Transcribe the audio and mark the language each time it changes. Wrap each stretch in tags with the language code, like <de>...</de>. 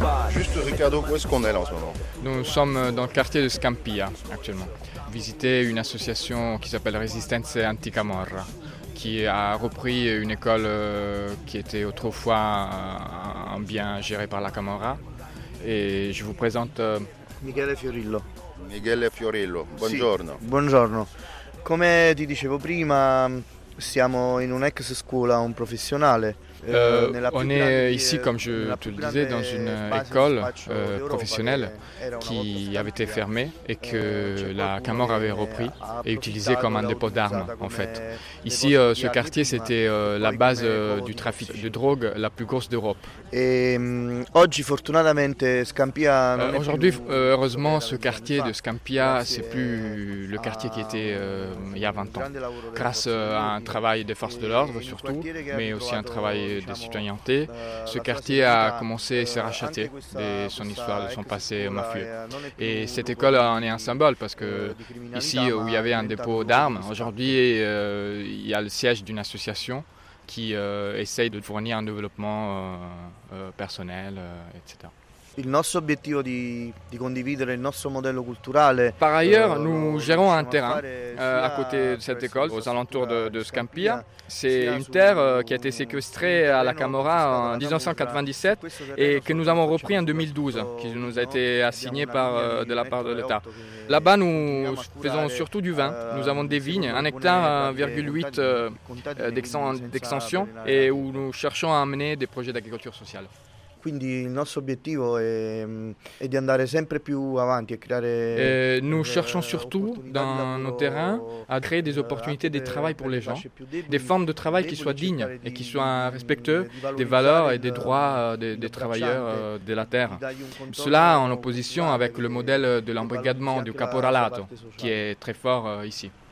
<fr>Juste Ricardo, où est-ce qu'on est là en ce moment? Nous sommes dans le quartier de Scampia actuellement. Visiter une association qui s'appelle Resistenza Anticamorra, qui a repris une école qui était autrefois un bien géré par la Camorra. Et je vous présente Michele Fiorillo.</fr> <it>Michele Fiorillo, buongiorno. Sì, buongiorno. Come ti dicevo prima, siamo in un'ex scuola, un professionale.</it> <fr>On est ici, comme je te le disais, dans une école professionnelle qui avait été fermée et que la Camorra avait repris et utilisée comme un dépôt d'armes, en fait. Ici, ce quartier, c'était la base du trafic de drogue la plus grosse d'Europe. Aujourd'hui, heureusement, ce quartier de Scampia, c'est plus le quartier qui était il y a 20 ans, grâce à un travail des forces de l'ordre, surtout, mais aussi un travail des citoyennetés, ce quartier a commencé à se racheter de son histoire, de son passé mafieux. Et cette école en est un symbole parce que ici où il y avait un dépôt d'armes, aujourd'hui il y a le siège d'une association qui essaye de fournir un développement personnel, etc.</fr> <it>Il nostro obiettivo di condividere il nostro modello culturale.</it> <fr>Par ailleurs, nous gérons un terrain à côté de cette école, aux alentours de Scampia. C'est une terre qui a été séquestrée à la Camorra en 1997 et que nous avons repris en 2012, qui nous a été assignée de la part de l'État. Là-bas, nous faisons surtout du vin. Nous avons des vignes, 1,8 hectare d'extension, et où nous cherchons à amener des projets d'agriculture sociale.</fr> <it>quindi il nostro obiettivo è di andare sempre più avanti e creare.</it> <fr>Nous cherchons surtout dans nos terrains à créer des opportunités de travail pour les gens, des formes de travail qui soient dignes et qui soient respectueuses des valeurs et des droits des travailleurs de la terre. Cela en opposition avec le modèle de l'embrigadement du caporalato qui est très fort ici.</fr>